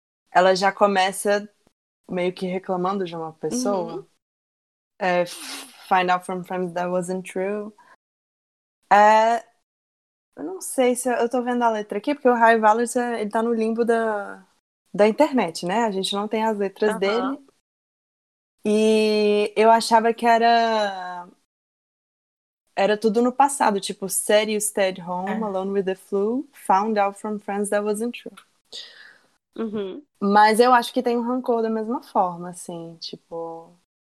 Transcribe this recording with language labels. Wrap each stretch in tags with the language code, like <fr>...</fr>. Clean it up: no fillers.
<pt>Ela já começa meio que reclamando de uma pessoa. Uhum.</pt> <en>Find out from friends that wasn't true.</en> <pt>Eu não sei se eu tô vendo a letra aqui, porque o Harry Valens, ele tá no limbo da internet, né? A gente não tem as letras dele. E eu achava que era tudo no passado, tipo,</pt> <en>said you stayed home, alone with the flu, found out from friends that wasn't true.</en> <pt>Mas eu acho que tem um rancor da mesma forma, assim, tipo...</pt>